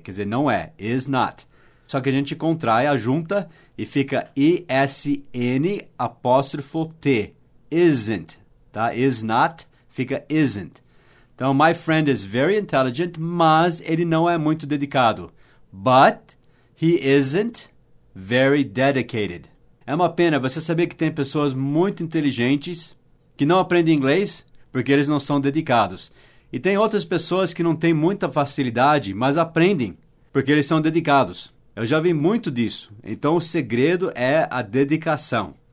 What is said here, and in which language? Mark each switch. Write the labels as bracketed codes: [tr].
[pt] Quer dizer, não é, is not. Só que a gente contrai a junta e fica I-S-N apóstrofo T. Isn't. Tá? Is not, fica isn't. Então, [en] my friend is very intelligent, [pt] mas ele não é muito dedicado. [en] But he isn't very dedicated. [pt] É uma pena você saber que tem pessoas muito inteligentes que não aprendem inglês porque eles não são dedicados. E tem outras pessoas que não têm muita facilidade, mas aprendem porque eles são dedicados. Eu já vi muito disso. Então, o segredo é a dedicação.